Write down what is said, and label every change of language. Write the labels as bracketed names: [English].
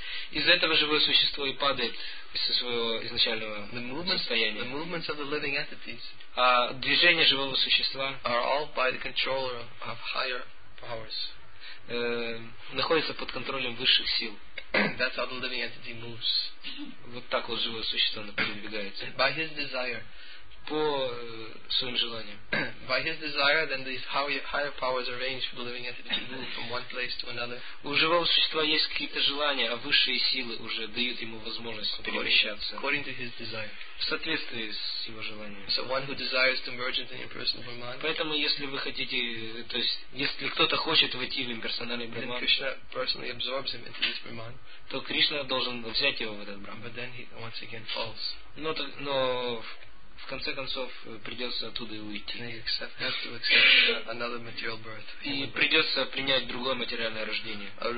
[Russian] Из-за этого живое существо и падает из своего изначального состояния. [English] The movements of the living entities, [Russian] а движения живого существа [English] are all by the control of higher powers. [Russian] Находятся под контролем высших сил. [English] That's how the living entity moves. [Russian] Вот так вот живое существо передвигается. [English] By his desire. [Russian] По своим желаниям. [English] By his desire, then these higher powers arrange for the living entity to move from one place to another. [Russian] У живого существа есть какие-то желания, а высшие силы уже дают ему возможность перемещаться. [English] According to his desire. [Russian] В соответствии с его желанием. [English] So one who desires to merge into impersonal Brahman. [Russian] Поэтому, если вы хотите, то есть, если кто-то хочет войти в имперсональный Брахман, [English] then Krishna personally absorbs him into this Brahman. [Russian] То Кришна должен взять его в этот Брахман. [English] But then he once again falls. [Russian] Но в конце концов, придется оттуда и уйти. И придется принять другое материальное рождение.